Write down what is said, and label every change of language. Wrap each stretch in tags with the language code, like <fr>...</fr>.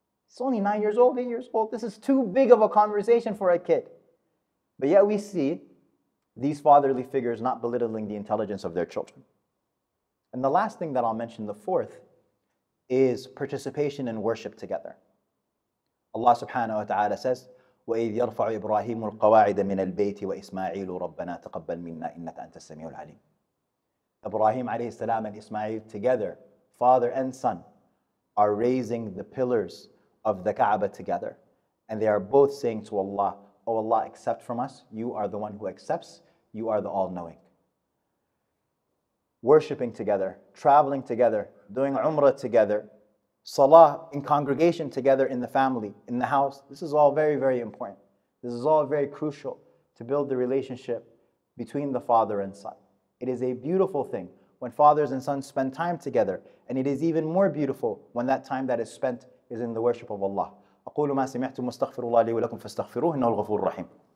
<en>It's only 9 years old, 8 years old. This is too big of a conversation for a kid. But yet we see these fatherly figures not belittling the intelligence of their children. And the last thing that I'll mention, the fourth, is participation in worship together. Allah subhanahu wa ta'ala says,</en> <ar>وَإِذْ يَرْفَعُ إِبْرَاهِيمُ الْقَوَاعِدَ مِنَ الْبَيْتِ وَإِسْمَاعِيلُ رَبَّنَا تَقَبَّلْ مِنَّا إِنَّكَ أَنْتَ السَّمِيعُ الْعَلِيمُ.</ar> <en>Ibrahim alayhi salam and Ismail together, father and son, are raising the pillars of the Kaaba together. And they are both saying to Allah, O Allah, accept from us. You are the one who accepts. You are the all-knowing. Worshipping together, traveling together, doing umrah together, salah in congregation together in the family, in the house. This is all very, very important. This is all very crucial to build the relationship between the father and son. It is a beautiful thing when fathers and sons spend time together, and it is even more beautiful when that time that is spent is in the worship of Allah.</en> <ar>أقول ما سمعتم واستغفر الله لي ولكم فاستغفروه إنه الغفور الرحيم.</ar>